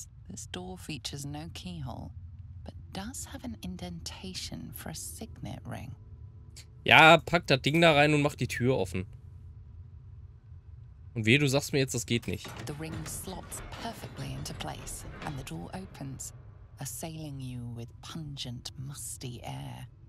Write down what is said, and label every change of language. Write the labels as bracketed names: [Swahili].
[English] This door features no keyhole, but does have an indentation for a signet ring. [German] Ja, pack das Ding da rein und mach die Tür offen. Und wehe, du sagst mir jetzt, das geht nicht. [English] The ring slots perfectly into place, and the door opens, assailing you with pungent, musty air.